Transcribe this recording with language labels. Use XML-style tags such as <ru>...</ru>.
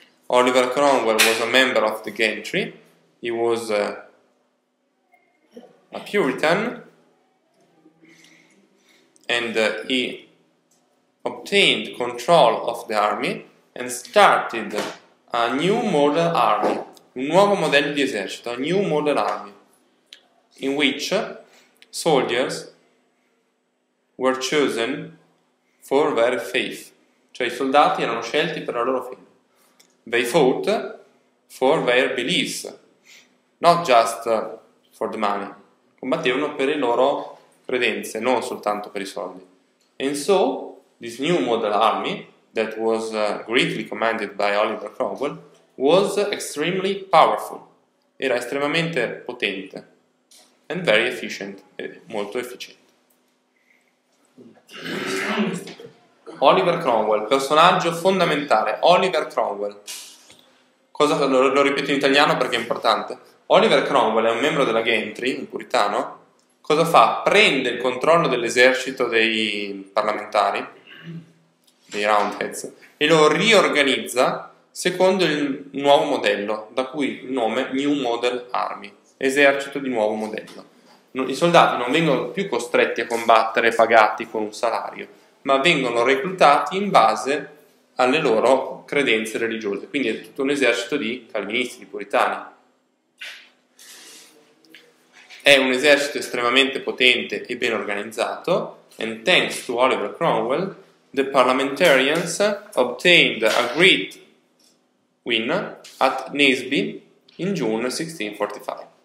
<en>Oliver Cromwell was a member of the gentry. He was a Puritan, and he obtained control of the army and started a new model army,</en> <it>un nuovo modello di esercito,</it> <en>a new model army, in which soldiers were chosen for their faith.</en> <it>Cioè i soldati erano scelti per la loro fede.</it> <en>They fought for their beliefs, not just for the money.</en> <it>Combattevano per le loro credenze, non soltanto per i soldi.</it> <en>And so, this new model army, that was greatly commanded by Oliver Cromwell, was extremely powerful.</en> <it>Era estremamente potente.</it> <en>And very efficient.</en> <it>Molto efficiente. Oliver Cromwell, personaggio fondamentale. Oliver Cromwell. Cosa lo ripeto in italiano perché è importante. Oliver Cromwell è un membro della gentry, un puritano. Cosa fa? Prende il controllo dell'esercito dei parlamentari, dei roundheads, e lo riorganizza secondo il nuovo modello, da cui il nome New Model Army, esercito di nuovo modello. I soldati non vengono più costretti a combattere pagati con un salario, ma vengono reclutati in base alle loro credenze religiose. Quindi è tutto un esercito di calvinisti, di puritani. È un esercito estremamente potente e ben organizzato.</it> <en>And thanks to Oliver Cromwell, the parliamentarians obtained a great win at Naseby in June 1645.</en>